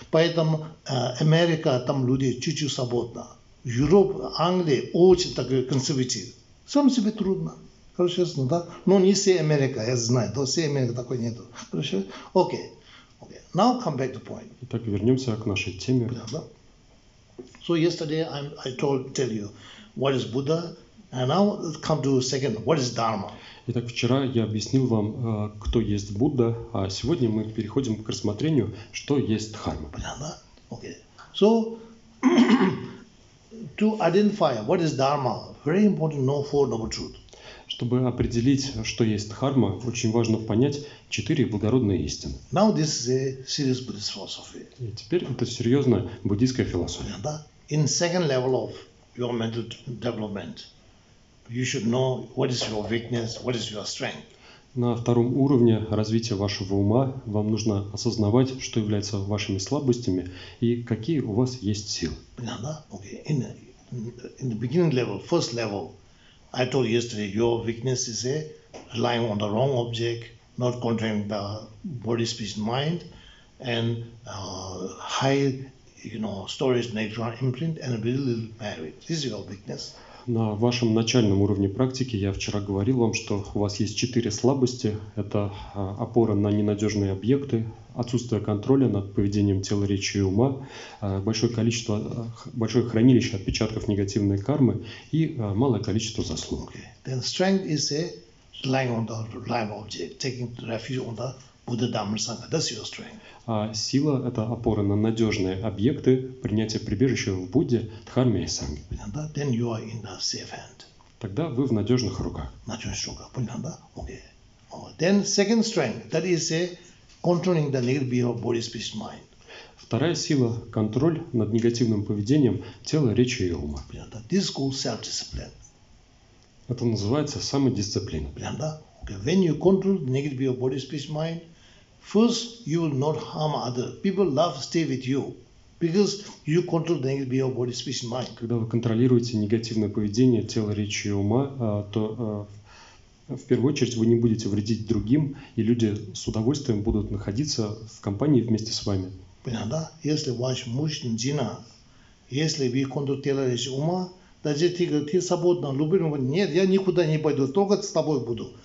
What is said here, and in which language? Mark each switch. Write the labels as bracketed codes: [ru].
[ru] Поэтому Америка, там люди чуть-чуть свободно. Европа, Англия очень так консервативны. Сам себе трудно. Хорошо, ясно, да? Но не все Америка, я знаю, то все Америка такой нету. Хорошо? Окей. Окей. [en] Now come back to point. [ru] Итак, вернемся к нашей теме. Да. [en] So yesterday I tell you what is Buddha, and now come to second, what is Dharma? [ru] Итак, вчера я объяснил вам, кто есть Будда, а сегодня мы переходим к рассмотрению, что есть Дхарма. Понятно, да? Окей. [en] So, to identify what is Dharma, very important to know four noble truths. [ru] Чтобы определить, что есть дхарма, очень важно понять четыре благородные истины. [en] Now this is a serious Buddhist philosophy. [ru] И теперь это серьезная буддийская философия. Yeah, да? [en] In second level of your mental development, you should know what is your weakness, what is your strength. [ru] На втором уровне развития вашего ума вам нужно осознавать, что является вашими слабостями и какие у вас есть силы. [en] Yeah, да? Okay. In the beginning level, first level. I told yesterday your weakness is a relying on the wrong object, not controlling the body, speech, mind, and high, storage natural imprint and very little merit. This is your weakness. [ru] На вашем начальном уровне практики я вчера говорил вам, что у вас есть четыре слабости. Это опора на ненадежные объекты, отсутствие контроля над поведением тела, речи и ума, большое хранилище отпечатков негативной кармы и малое количество заслуг. [en] Okay. Then strength is a relying on the live object, taking refuge on the Buddha Dhamma Sangha. That's your strength. [ru] А сила – это опора на надежные объекты, принятие прибежища в Будде, Дхарме и Санге. Понятно? [en] Then you are in the safe hand. [ru] Тогда вы в надежных руках. Надежных руках. Понятно? Да? Okay. [en] Then second strength, that is a controlling the negative behavior of body, speech, mind. [ru] Вторая сила – контроль над негативным поведением тела, речи и ума. Понятно? [en] This is called self-discipline. [ru] Это называется самодисциплина. Прям, да? Okay. [en] When you control the negative your body, speech, mind, first you will not harm other. People love stay with you. Because you control the negative your body, speech, mind. [ru] Когда вы контролируете негативное поведение тела, речи и ума, то в первую очередь вы не будете вредить другим, и люди с удовольствием будут находиться в компании вместе с вами. Понятно, да? Если ваш мужчина, жена, если вы контролируете тело, речи и ума, даже ты свободна, любимого, нет, я никуда не пойду, только с тобой буду.